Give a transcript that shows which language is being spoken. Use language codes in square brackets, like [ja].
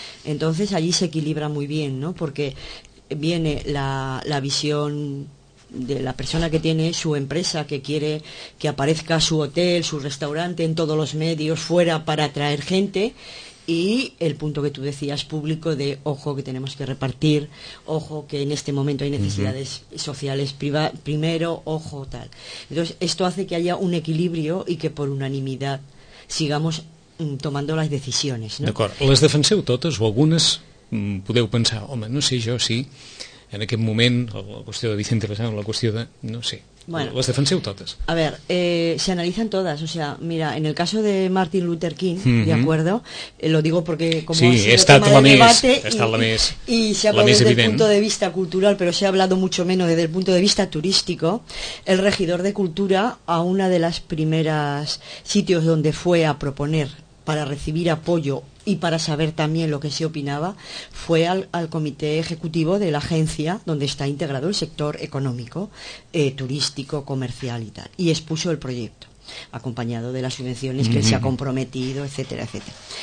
[es] Entonces, allí se equilibra muy bien, ¿no? Porque viene la visión de la persona que tiene su empresa, que quiere que aparezca su hotel, su restaurante en todos los medios, fuera, para atraer gente, y el punto que tú decías, público, de ojo que tenemos que repartir, ojo que en este momento hay necesidades sociales primero, ojo tal. Entonces esto hace que haya un equilibrio y que por unanimidad sigamos tomando las decisiones, ¿no? [ca] D'acord, les defenseu totes o algunes podeu pensar, home, no sé jo si en aquest moment, la qüestió de Vicente Lezano, la qüestió de, no sé, bueno, les defenseu totes. [es] A ver, se analizan todas, o sea, mira, en el caso de Martin Luther King, de acuerdo, lo digo porque como sí, ha sido tema de debate, y se ha hablado desde el punto de vista cultural, pero se ha hablado mucho menos desde el punto de vista turístico, el regidor de cultura, a una de las primeras sitios donde fue a proponer para recibir apoyo y para saber también lo que se opinaba, fue al comité ejecutivo de la agencia donde está integrado el sector económico, turístico, comercial y tal, y expuso el proyecto, acompañado de las subvenciones que él se ha comprometido, etcétera, etcétera.